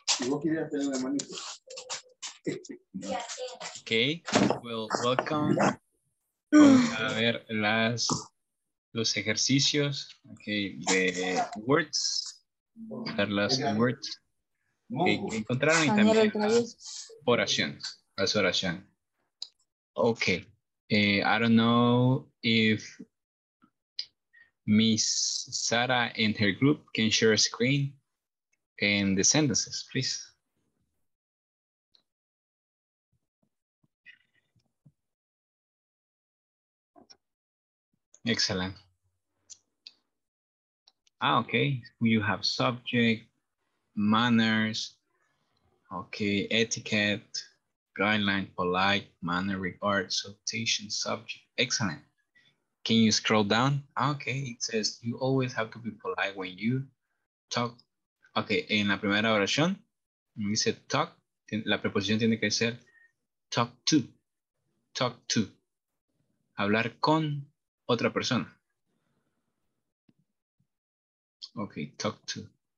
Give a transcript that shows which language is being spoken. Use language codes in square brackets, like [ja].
[es] Okay, well, welcome. A ver las los ejercicios, okay, de words, las words que encontraron y también las oraciones, las oraciones. [en] Okay, I don't know if Miss Sara and her group can share a screen and the sentences, please. Excellent. Ah, okay. You have subject, manners, okay, etiquette, guideline, polite, manner, regard, salutation, subject. Excellent. Can you scroll down? Okay, it says you always have to be polite when you talk. [es] Okay, en la primera oración, dice talk, la preposición tiene que ser talk to. [en] Talk to. [es] Hablar con otra persona. [en] Okay, talk to.